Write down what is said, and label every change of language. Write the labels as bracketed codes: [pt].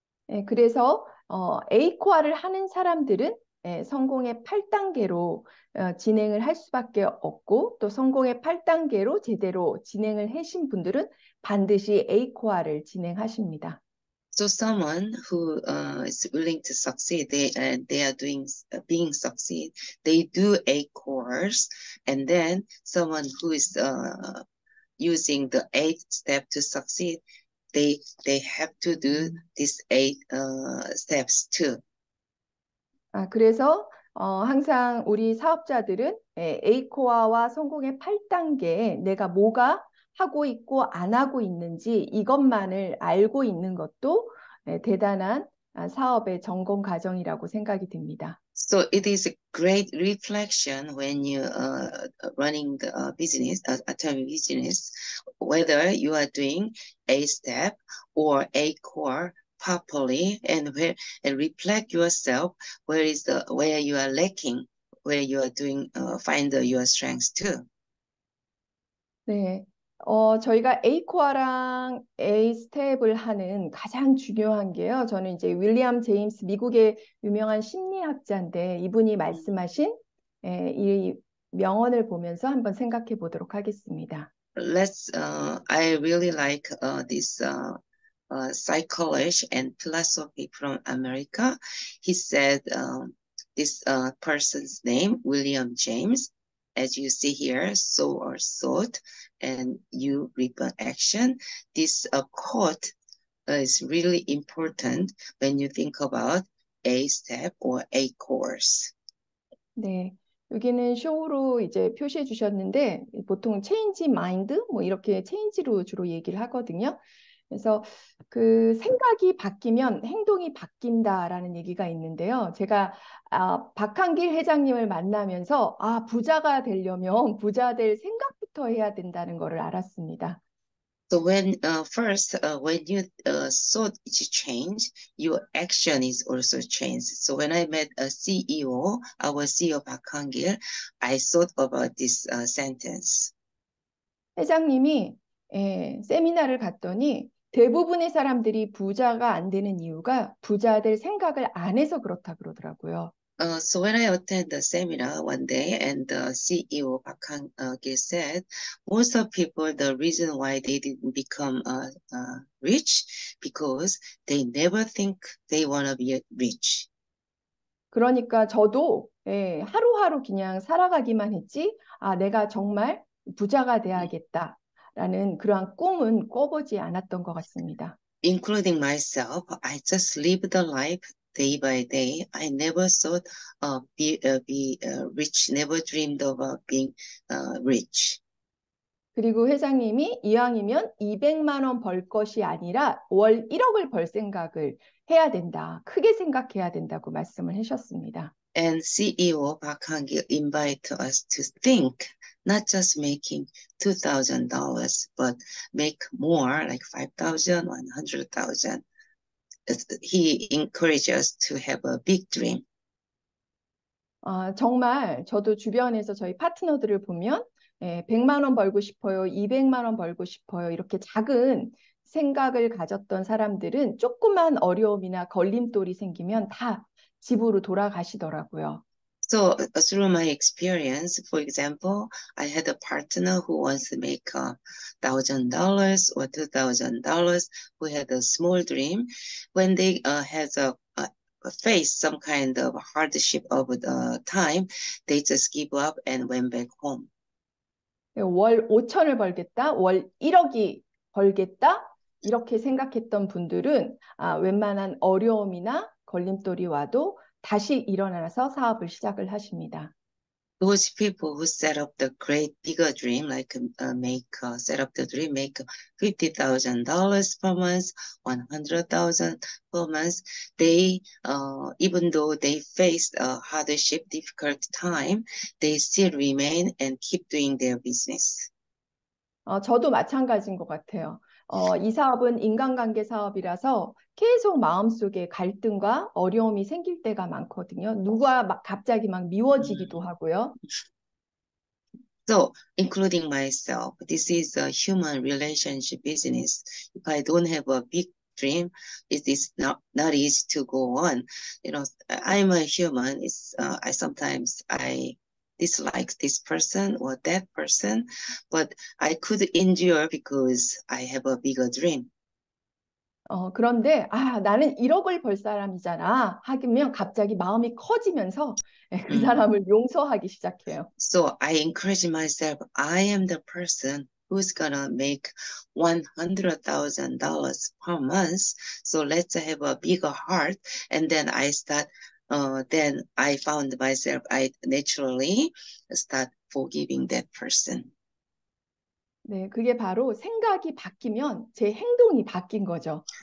[ko] 예, 그래서 에이코아를 하는 사람들은 예, 성공의 8단계로 진행을 할 수밖에 없고 또 성공의 8단계로 제대로 진행을 하신 분들은 반드시 에이코아를 진행하십니다. [en] So someone who is willing to succeed, they are doing being succeed. They do a course, and then someone who is using the eighth step to succeed, they have to do these eight steps too. [ko] 아, 그래서 항상 우리 사업자들은 에이코아와 성공의 8단계에 내가 뭐가 하고 있고 안 하고 있는지 이것만을 알고 있는 것도 대단한 사업의 전공 과정이라고 생각이 듭니다. [en] So it is a great reflection when you are running the business, Atomy business, whether you are doing a step or a core properly, and reflect yourself where is the where you are lacking, where you are doing find your strengths too. [ko] 네. 저희가 에이코아랑 에이 스텝을 하는 가장 중요한 게요. 저는 이제 윌리엄 제임스 미국의 유명한 심리학자인데 이분이 말씀하신 이 명언을 보면서 한번 생각해 보도록 하겠습니다. [en] I really like this psychology and philosophy from America. He said this person's name, William James, as you see here, sow a thought and you reap an action. This quote is really important when you think about a step or a course. [ko] 네, 여기는 쇼로 이제 표시해 주셨는데 보통 [en] 체인지 마인드 [ko] 뭐 이렇게 체인지로 주로 얘기를 하거든요. 그래서 그 생각이 바뀌면 행동이 바뀐다라는 얘기가 있는데요. 제가 박한길 회장님을 만나면서 아 부자가 되려면 부자 될 생각부터 해야 된다는 거를 알았습니다. [en] So when first when you thought it changed, your action is also changed. So when I met a CEO, our CEO Park Hang-gil, I thought about this sentence. [ko] 회장님이 세미나를 갔더니 대부분의 사람들이 부자가 안 되는 이유가 부자 될 생각을 안 해서 그렇다 그러더라고요. [en] So when I attend the seminar one day, and the CEO Park Hang said most of people, the reason why they didn't become rich because they never think they want to be rich. [ko] 그러니까 저도 예, 하루하루 그냥 살아가기만 했지, 아, 내가 정말 부자가 돼야겠다 라는 그러한 꿈은 꿔보지 않았던 것 같습니다. [en] Including myself, I just live the life day by day. I never thought of be rich, never dreamed about being rich. [ko] 그리고 회장님이 이왕이면 200만 원벌 것이 아니라 월 1억을 벌 생각을 해야 된다, 크게 생각해야 된다고 말씀을 하셨습니다. [en] And CEO Park Hang-il invite us to think not just making $2,000, but make more, like 5,000, 100,000. He encourages us to have a big dream. [ko] 아, 정말 저도 주변에서 저희 파트너들을 보면 예, 100만 원 벌고 싶어요, 200만 원 벌고 싶어요, 이렇게 작은 생각을 가졌던 사람들은 조그만 어려움이나 걸림돌이 생기면 다 집으로 돌아가시더라고요. [en] So, through my experience, for example, I had a partner who wants to make $1,000 or $2,000, who had a small dream. When they has a face some kind of hardship over the time, they just give up and went back home. [ko] 월 5천을 벌겠다, 월 1억이 벌겠다 이렇게 생각했던 분들은 아, 웬만한 어려움이나 걸림돌이 와도 다시 일어나서 사업을 시작을 하십니다. [en] Those people who set up the great bigger dream, like set up the dream, make $50,000 per month, $100,000 per month. They, even though they faced a hardship, difficult time, they still remain and keep doing their business. [ko] 저도 마찬가지인 것 같아요. 이 사업은 인간관계 사업이라서 계속 마음속에 갈등과 어려움이 생길 때가 많거든요. 누가 막 갑자기 막 미워지기도 하고요. [en] So, including myself, this is a human relationship business. If I don't have a big dream, it is not easy to go on. You know, I'm a human. Sometimes I dislike this person or that person, but I could endure because I have a bigger dream. [ko] 그런데 아, 나는 1억을 벌 사람이잖아 하면 갑자기 마음이 커지면서 그 사람을 용서하기 시작해요. [en] So I encourage myself, I am the person who's gonna make $100,000 per month. So let's have a bigger heart. And then then I found myself, I naturally start forgiving that person. [ko] 네, 그게 바로 생각이 바뀌면 제 행동이 바뀐 거죠.